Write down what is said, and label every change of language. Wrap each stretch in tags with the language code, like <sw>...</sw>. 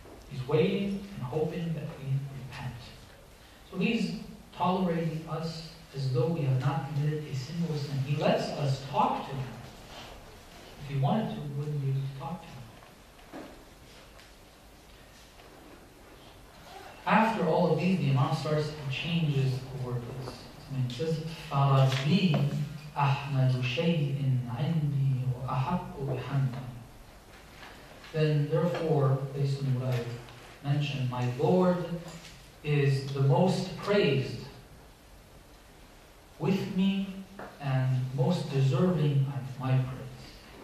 <en>He's waiting and hoping that we repent. So he's tolerating us as though we have not committed a single sin. He lets us talk to him. If he wanted to, we wouldn't be able to talk to him. After all of these, the Imam starts to change the word. He says,</en> <ar>فَرَبِّي أَحْمَدُ شَيْءٍ عِنْدِي وَأَحَقُّ بِحَمْدًا.</ar> <en>Then therefore, based on what I've mentioned, my Lord is the most praised with me and most deserving of my praise.</en>